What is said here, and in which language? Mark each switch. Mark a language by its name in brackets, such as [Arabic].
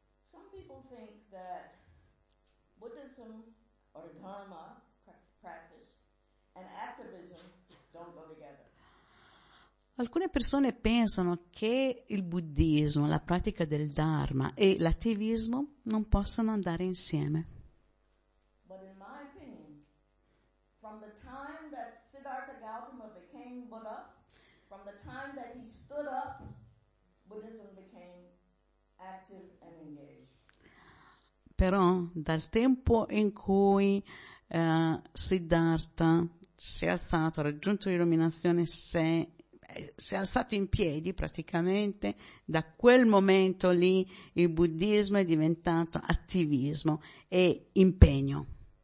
[English] Some people think that Buddhism or Dharma practice and activism don't go together. [Italian] Alcune persone pensano che il buddismo, la pratica del Dharma e l'attivismo non possano andare insieme. [English] But in my opinion, from the time that Siddhartha Gautama became Buddha, from the time that he stood up, Buddhism became active and engaged. [Italian] Però dal tempo in cui Siddhartha si è alzato, ha raggiunto l'illuminazione, si è alzato in piedi praticamente, da quel momento lì il buddismo è diventato attivismo e impegno.